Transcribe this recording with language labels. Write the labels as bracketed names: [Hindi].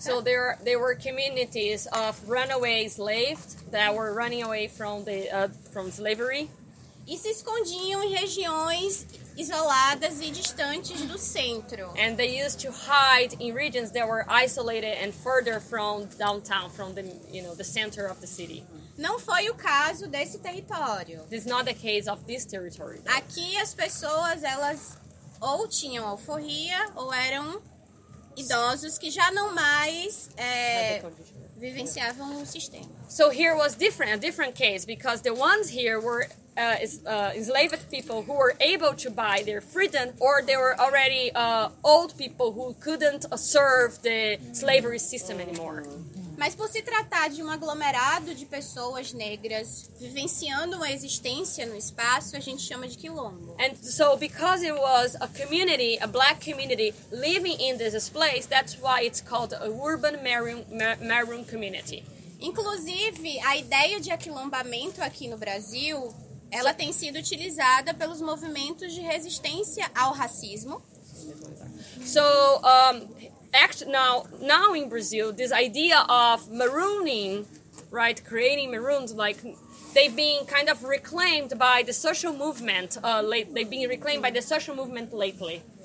[English] So there were communities of runaway slaves that were running away from the from slavery. [Portuguese] E se escondiam em regiões isoladas e distantes do centro. [English] And they used to hide in regions that were isolated and further from downtown, from the, you know, the center of the city. [Portuguese] Não foi o caso desse território. [English] This is not the case of this territory, though. [Portuguese] Aqui as pessoas, elas ou tinham alforria ou eram idosos que já não mais vivenciavam o sistema. [English] So here was different, a different case, because the ones here were enslaved people who were able to buy their freedom, or they were already old people who couldn't serve the slavery system anymore. [Portuguese] Mas por se tratar de um aglomerado de pessoas negras vivenciando uma existência no espaço, a gente chama de quilombo. [English] And so because it was a community, a black community living in this place, that's why it's called a urban maroon community. [Portuguese] Inclusive, a ideia de aquilombamento aqui no Brasil, ela tem sido utilizada pelos movimentos de resistência ao racismo. [English] So, now in Brazil, this idea of marooning, right, creating maroons, like, they've been kind of reclaimed by the social movement, they've been reclaimed by the social movement lately.